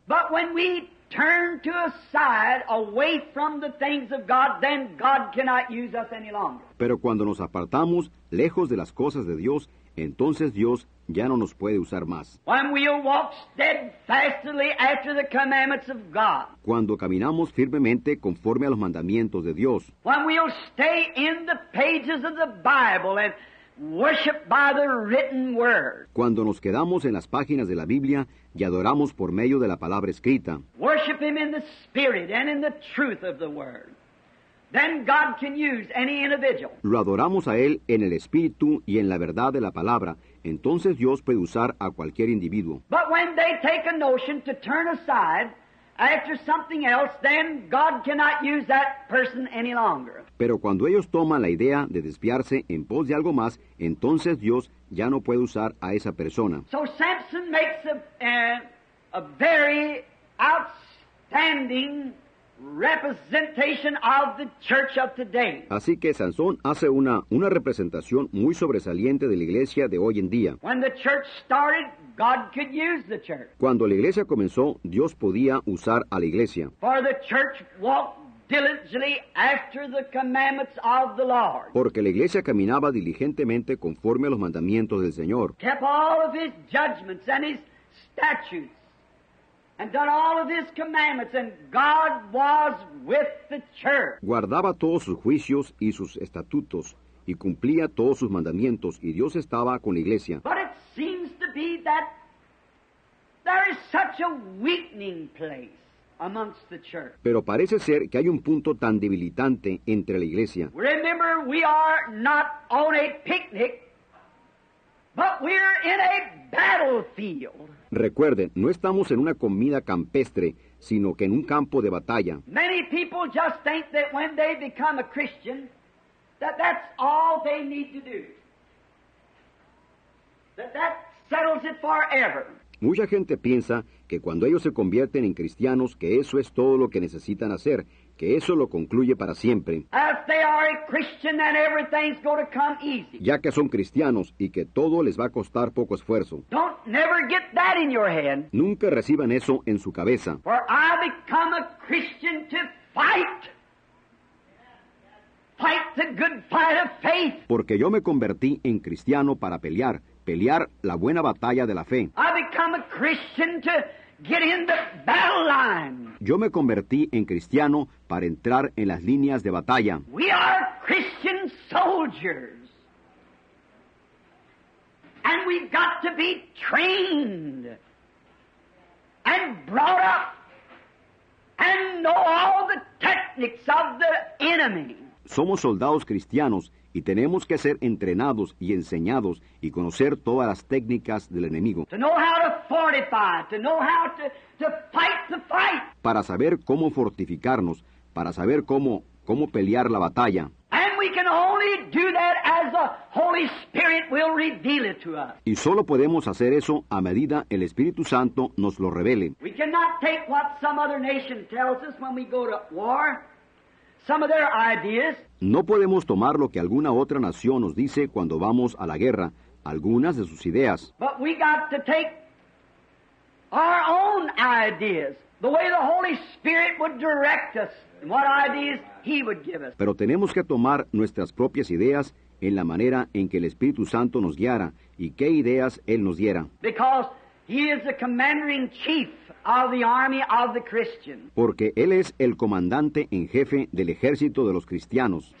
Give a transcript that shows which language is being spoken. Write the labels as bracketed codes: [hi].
[en] But when we turn to a side away from the things of God, then God cannot use us any longer. [es] Pero cuando nos apartamos lejos de las cosas de Dios, entonces Dios ya no nos puede usar más. [en] When we walk steadfastly after the commandments of God. [es] Cuando caminamos firmemente conforme a los mandamientos de Dios. [en] When we stay in the pages of the Bible and worship by the written word. [es] Cuando nos quedamos en las páginas de la Biblia y adoramos por medio de la palabra escrita. [en] Worship him in the spirit and in the truth of the word. Then God can use any individual. [es] Lo adoramos a Él en el Espíritu y en la verdad de la palabra. Entonces Dios puede usar a cualquier individuo. [en] But when they take a notion to turn aside after something else, then God cannot use that person any longer. [es] Pero cuando ellos toman la idea de desviarse en pos de algo más, entonces Dios ya no puede usar a esa persona. [en] So Samson makes a very outstanding representation of the church of today. [es] Así que Sansón hace una representación muy sobresaliente de la iglesia de hoy en día. [en] When the church started, God could use the church. [es] Cuando la iglesia comenzó, Dios podía usar a la iglesia. [en] For the church walked diligently after the commandments of the Lord. [es] Porque la iglesia caminaba diligentemente conforme a los mandamientos del Señor. [en] Kept all of his judgments and his statutes. And done all of his commandments, and God was with the church. [es] Guardaba todos sus juicios y sus estatutos, y cumplía todos sus mandamientos, y Dios estaba con la iglesia. [en] But it seems to be that there is such a weakening place amongst the church. [es] Pero parece ser que hay un punto tan debilitante entre la iglesia. [en] Remember, we are not on a picnic, but we're in a battlefield. [es] Recuerden, no estamos en una comida campestre, sino que en un campo de batalla. [en] Many people just think that when they become a Christian, that that's all they need to do. That settles it forever. [es] Mucha gente piensa que cuando ellos se convierten en cristianos, que eso es todo lo que necesitan hacer, que eso lo concluye para siempre. [en] If they are a Christian, then everything's going to come easy. [es] Ya que son cristianos y que todo les va a costar poco esfuerzo. [en] Don't never get that in your head. [es] Nunca reciban eso en su cabeza. [en] For I become a Christian to fight the good fight of faith. [es] Porque yo me convertí en cristiano para pelear la buena batalla de la fe. [en] I become a Christian to get in the battle line. [es] Yo me convertí en cristiano para entrar en las líneas de batalla. [en] We are Christian soldiers. And we've got to be trained and brought up and know all the techniques of the enemy. [es] Somos soldados cristianos y tenemos que ser entrenados y enseñados y conocer todas las técnicas del enemigo. [en] To know how to fortify, to know how to fight the fight. [es] Para saber cómo fortificarnos, para saber cómo pelear la batalla. [en] And we can only do that as the Holy Spirit will reveal it to us. [es] Y solo podemos hacer eso a medida el Espíritu Santo nos lo revele. [en] We cannot take what some other nation tells us when we go to war. Some of their ideas. [es] No podemos tomar lo que alguna otra nación nos dice cuando vamos a la guerra, algunas de sus ideas. [en] But we got to take our own ideas, the way the Holy Spirit would direct us, and what ideas He would give us. [es] Pero tenemos que tomar nuestras propias ideas en la manera en que el Espíritu Santo nos guiara y qué ideas Él nos diera. [en] Because He is the commanding chief of the army of the Christians. [es] Porque él es el comandante en jefe del ejército de los cristianos.